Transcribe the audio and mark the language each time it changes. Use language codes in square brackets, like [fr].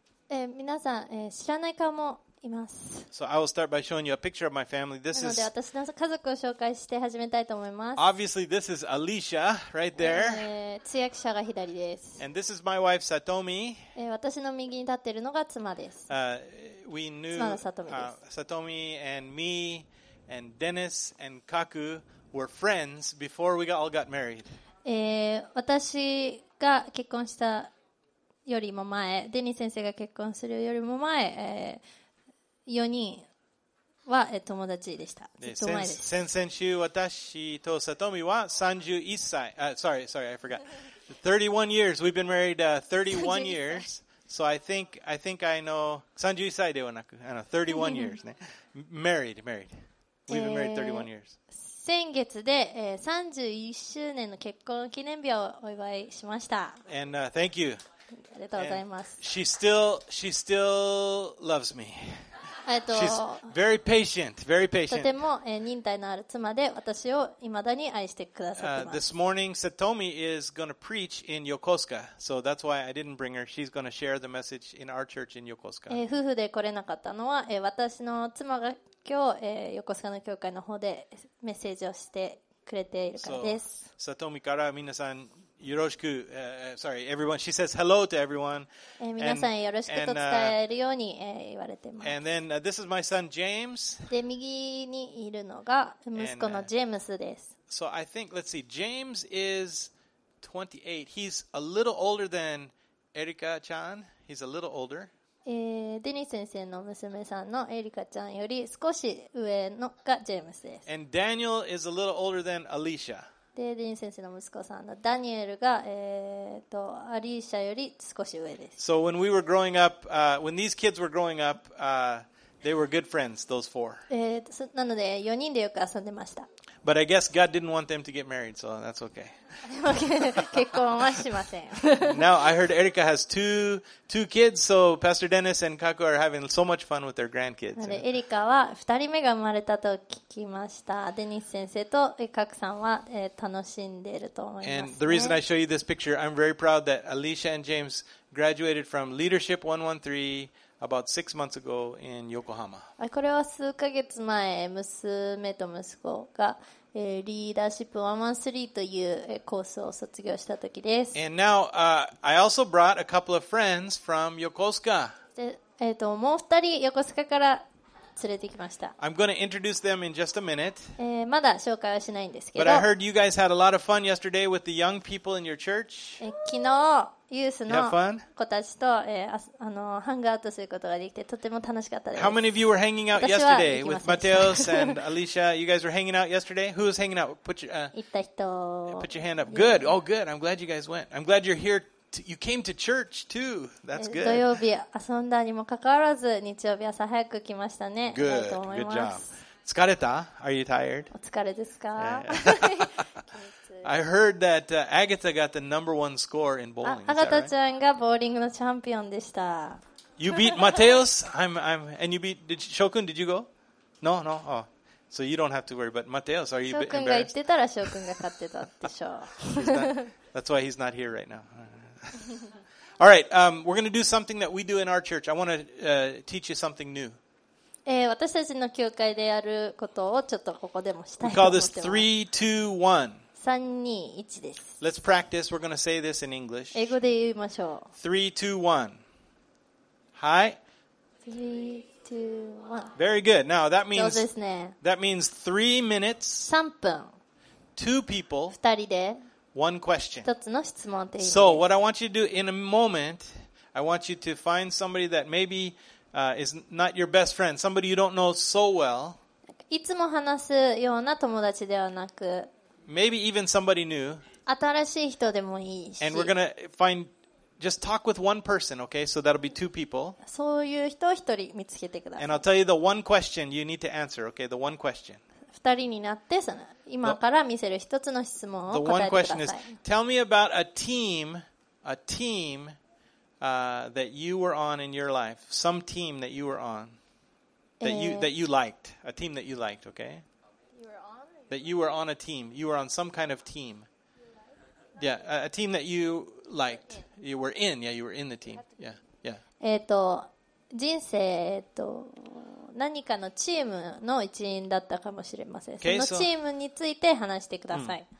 [ja] 皆さん、知らない顔もいます。 [en] So I will start by showing you a picture of my family. This is, [ja] なので私の家族を紹介して始めたいと思います。 [en] Obviously, this is Alicia, right there. [ja] 通訳者が左です。 [en] And this is my wife, Satomi. [ja] 私の右に立っているのが妻です。 [en] We knew, [ja] 妻のサトミです。 [en] Satomi and me and Dennis and Kaku were friends before we all got married. [ja] 私が結婚したよりも前、デニー先生が結婚するよりも前、4人は友達でした。ずっと前です。先々週、私とサトミは31歳、 [en] sorry, I forgot. 31 years, we've been married 31 years. So I think I know, [ja] 31歳ではなく、 [en] 31 years ね。married. We've been married 31 years. [ja] 先月で、31周年の結婚記念日をお祝いしました。 [en] And, thank you. [ja] ありがとうございます。 [en] And、she still loves me. She's very patient, very patient. [ja] とても、忍耐のある妻で私を未だに愛してくださっています。 [en] This morning, Satomi is going to preach in Yokosuka, so that's why I didn't bring her. She's going to share the message in our church in Yokosuka. [ja] 夫婦で来れなかったのは、私の妻が今日、横須賀の教会の方でメッセージをしてくれているからです。サトミから皆さんよろしく、everyone. [en] She says hello to everyone. [ja] 皆さんよろしくと伝えるように言われています [en] 。And then, this is my son James. [ja] で、右にいるのが息子のジェームスです。 [en] So I think, let's see, James is 28. He's a little older than Erika-chan. He's a little older. [ja] デニス先生の娘さんのエリカちゃんより少し上のがジェームスです。 [en] And Daniel is a little older than Alicia. [ja] で、デニス先生の息子さんのダニエルが、アリシャより少し上です。 [en] So when we were growing up, when these kids were growing up, they were good friends, those four. [ja] なので、4人でよく遊んでました。 [en] But I guess God didn't want them to get married, so that's okay. [ja] 結婚はしません。 [en] Now I heard Erika has two kids, so Pastor Dennis and Kaku are having so much fun with their grandkids. [ja] なので、エリカは2人目が生まれたと聞きました。デニス先生とカクさんは、楽しんでいると思います、ね。 [en] And the reason I show you this picture, I'm very proud that Alicia and James graduated from Leadership 113. About six months ago in Yokohama. [ja] これは数ヶ月前、娘と息子が、リーダーシップ113という、コースを卒業した時です。 [en] And now, I also brought a couple of friends from Yokosuka. [ja] もう二人、横須賀から連れてきました。 [en] I'm going to introduce them in just a minute. [ja] まだ紹介はしないんですけど。 [en] But I heard you guys had a lot of fun yesterday with the young people in your church. [ja] 昨日ユースの子たちと、ハングアウトすることができてとても楽しかったです。 [en] How many of you were hanging out yesterday with Mateos and Alicia? You guys were hanging out yesterday? Who was hanging out? Put your hand up. Good. Oh, good. I'm glad you guys went. I'm glad you're here. You came to church too. That's good. [ja] 土曜日遊んだにもかかわらず日曜日朝早く来ましたね。 [en] Good. Good job. [ja] 疲れた? [en] Are you tired? [ja] お疲れですか? [en] I heard that Agatha got the number one score in bowling. [ja] アガタちゃんがボーリングのチャンピオンでした。 [en] You beat Mateos? And you beat Shokun? Did you go? No, no. Oh, so you don't have to worry. But Mateos, are you embarrassed? [ja] Shokun が言ってたら Shokun が勝ってたでしょう。 [en] That's why he's not here right now. All right, we're going to do something that we do in our church. I want to teach you something new. [ja] 私たちの教会でやることをちょっとここでもしたいと思ってます。 [en] We call this 3-2-1. [ja] 321です。 [en] Let's practice. We're going to say this in English. [ja] 英語で言いましょう。 321. はい。 [en] 321. Very good. Now that means, [ja] そうですね。 [en] That means 3 minutes. [ja] 3分。 [en] Two people. [ja] 2人で。 [en] One question. [ja] 一つの質問で。 [en] So what I want you to do in a moment, I want you to find somebody that maybe, is not your best friend, somebody you don't know so well. [ja] いつも話すような友達ではなく、 [en] maybe even somebody new. [ja] 新しい人でもいいし、 [en] and we're gonna find just talk with one person, okay? So that'll be two people. [ja] そういう人を一人見つけてください。 [en] And I'll tell you the one question you need to answer, okay? The one question. [ja] 二人になってその今から見せる一つの質問を答えてください。 [en] The one question is, tell me about a team, that you were on in your life, some team that you were on. That you liked, a team that you liked, okay? You were on? That you were on a team. You were on some kind of team. Yeah, a team that you liked. You were in, yeah, you were in the team. Yeah, yeah. [ja] 人生、何かのチームの一員だったかもしれません。 [en] Okay, [ja] そのチームについて話してください。